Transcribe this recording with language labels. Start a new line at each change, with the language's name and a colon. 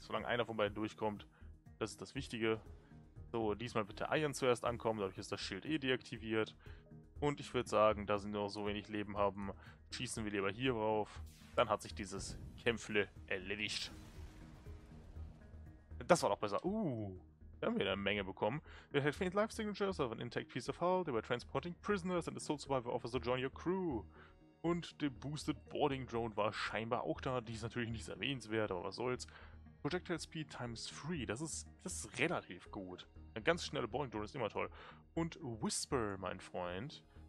German: Solange einer von beiden durchkommt, das ist das Wichtige. So, diesmal bitte Iron zuerst ankommen. Dadurch ist das Schild eh deaktiviert. Und ich würde sagen, da sie nur so wenig Leben haben, schießen wir lieber hier drauf. Dann hat sich dieses Kämpfle erledigt. Das war doch besser. Da haben wir eine Menge bekommen.
English: We have faint life signatures of an intact piece of hull. They were transporting prisoners and a soul survivor officer join your crew.
German: Und der Boosted Boarding Drone war scheinbar auch da. Die ist natürlich nicht erwähnenswert, aber was soll's.
English: Projectile Speed times 3.
German: Das ist relativ gut. Ein ganz schneller Boarding Drone ist immer toll. Und Whisper, mein Freund.